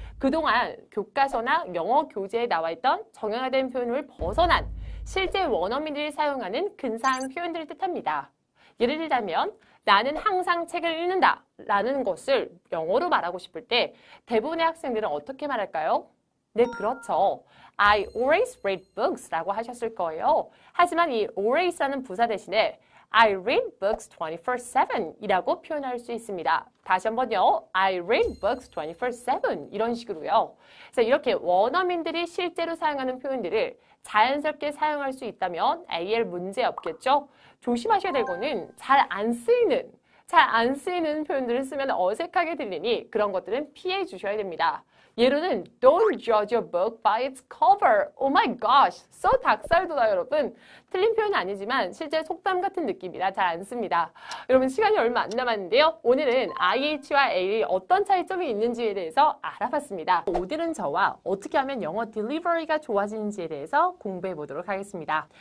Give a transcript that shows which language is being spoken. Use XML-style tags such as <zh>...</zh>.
<ko>그동안 교과서나 영어 교재에 나와 있던 정형화된 표현을 벗어난 실제 원어민들이 사용하는 근사한 표현들을 뜻합니다. 예를 들자면 나는 항상 책을 읽는다 라는 것을 영어로 말하고 싶을 때 대부분의 학생들은 어떻게 말할까요? 네, 그렇죠.</ko> <en>I always read books</en> <ko>라고 하셨을 거예요. 하지만 이 always라는 부사 대신에</ko> <en>I read books 24/7</en> <ko>이라고 표현할 수 있습니다. 다시 한번요.</ko> <en>I read books 24/7</en> <ko>이런 식으로요. 그래서 이렇게 원어민들이 실제로 사용하는 표현들을 자연스럽게 사용할 수 있다면 AL 문제 없겠죠? 조심하셔야 될 거는 잘 안 쓰이는 표현들을 쓰면 어색하게 들리니 그런 것들은 피해 주셔야 됩니다. 예로는</ko> <en>Don't judge a book by its cover. Oh my gosh. So</en> <ko>닭살도다, 여러분. 틀린 표현은 아니지만 실제 속담 같은 느낌이라 잘안 씁니다. 여러분, 시간이 얼마 안 남았는데요. 오늘은 IH와 AL이 어떤 차이점이 있는지에 대해서 알아봤습니다. 오늘은 저와 어떻게 하면 영어 딜리버리가 좋아지는지에 대해서 공부해 보도록 하겠습니다.</ko>